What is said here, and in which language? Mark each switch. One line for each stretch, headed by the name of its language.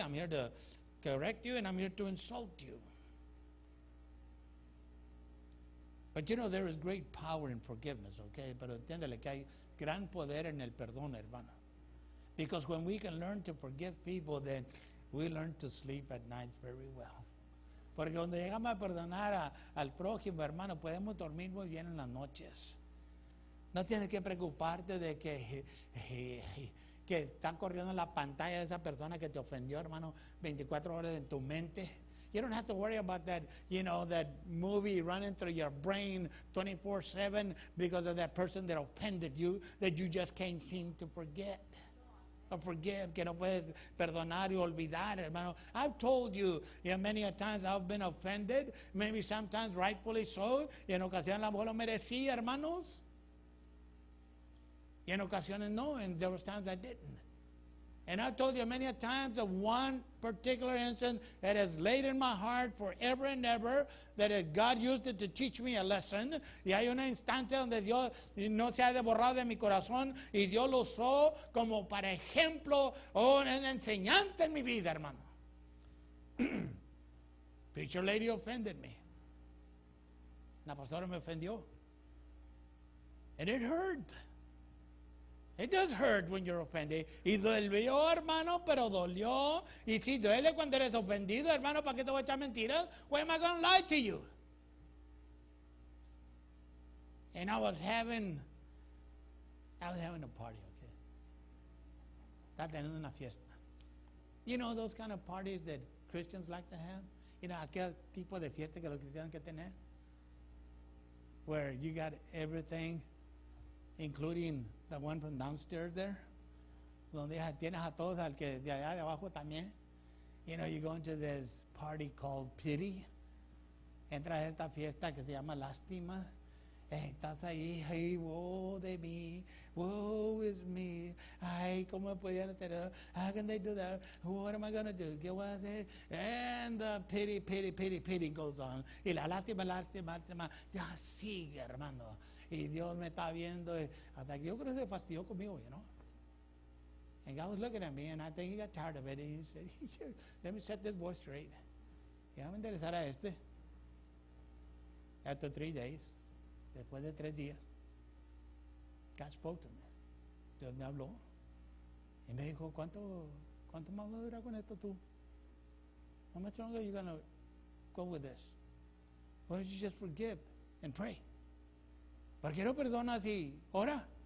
English: I'm here to correct you and I'm here to insult you. But you know, there is great power in forgiveness, okay?
Spanish: Pero entiéndele que hay gran poder en el perdón, hermano.
English: Because when we can learn to forgive people, then we learn to sleep at night very well.
Spanish: Porque cuando llegamos a perdonar al prójimo, hermano, podemos dormir muy bien en las noches. No tienes que preocuparte de que está corriendo la pantalla de esa persona que te ofendió, hermano, 24 horas en tu mente.
English: You don't have to worry about that, you know, that movie running through your brain 24/7 because of that person that offended you that you just can't seem to forget.
Spanish: Forgive, que no puedes perdonar y olvidar, hermano.
English: I've told you, you know, many a times I've been offended, maybe sometimes rightfully so,
Spanish: y en ocasiones a lo mejor lo merecí, hermanos. Y en ocasiones no,
English: and there was times I didn't. And I've told you many a times of one particular incident that has laid in my heart forever and ever, that God used it to teach me a lesson.
Spanish: Y hay una instancia donde Dios no se ha borrado de mi corazón y Dios lo usó como para ejemplo o una enseñanza en mi vida, hermano.
English: Preacher lady offended me.
Spanish: La pastora me ofendió.
English: And it hurt. It does hurt when you're offended.
Spanish: Y dolió, hermano, pero dolió. Y si duele cuando eres ofendido, hermano, ¿para qué te voy a echar mentiras?
English: Why am I going to lie to you? And I was having a party, okay?
Spanish: Estaba teniendo una fiesta.
English: You know those kind of parties that Christians like to have? You know,
Spanish: aquel tipo de fiesta que los cristianos que tienen?
English: Where you got everything, including the one from downstairs there.
Spanish: Donde tienes a todos, al que de allá de abajo también.
English: You know, you go into this party called pity.
Spanish: Entras a esta fiesta que se llama lástima. Estás ahí, hey, woe de mí,
English: woe is me.
Spanish: Ay, ¿cómo podían hacer eso?
English: How can they do that? What am I going to do?
Spanish: ¿Qué voy a hacer?
English: And the pity, pity, pity, pity goes on.
Spanish: Y la lástima, lástima, lástima, ya sigue, hermano. Y Dios me está viendo. Hasta que yo creo que se fastidió conmigo, you know.
English: And God was looking at me, and I think he got tired of it. And he said, let me set this boy straight.
Spanish: Y vamos a interesar a este.
English: After 3 days.
Spanish: Después de 3 días,
English: God spoke to me.
Spanish: Dios me habló. Y me dijo, ¿cuánto más vas a durar con esto tú?
English: How much longer are you going to go with this? Why don't you just forgive and pray?
Spanish: ¿Por qué no perdonas y ora?